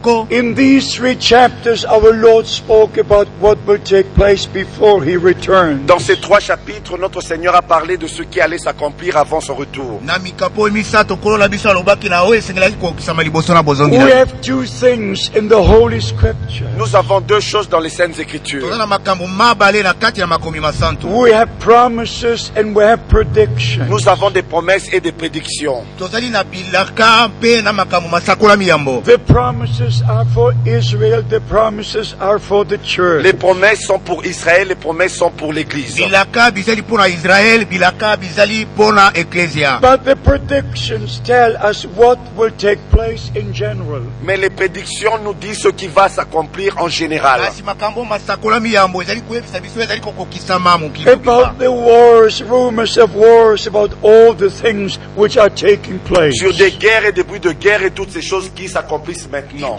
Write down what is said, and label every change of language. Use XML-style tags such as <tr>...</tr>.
<en>In these three chapters, our Lord spoke about what would take place before He returned.</en> <fr>Dans ces trois chapitres, notre Seigneur a parlé de ce qui allait s'accomplir avant son retour.</fr> <en>We have two things in the Holy Scripture.</en> <fr>Nous avons deux choses dans les Saintes Écritures.</fr> <en>We have promises and we have predictions.</en> <fr>Nous avons des promesses et des prédictions.</fr> <en>The promises are for Israel, the promises are for the church.</en> <fr>Les promesses sont pour Israël, les promesses sont pour l'église.</fr> <ln>Bilaka bizali</ln> <fr>pour Israël,</fr> <ln>bilaka bizali</ln> <fr>pour l'église.</fr> <en>But the predictions tell us what will take place in general.</en> <fr>Mais les prédictions nous disent ce qui va s'accomplir en général.</fr> <en>About the wars, rumors of wars, about all the things which are taking place.</en> <fr>Sur des guerres et des bruits de guerre et toutes ces choses qui s'accomplissent maintenant.</fr>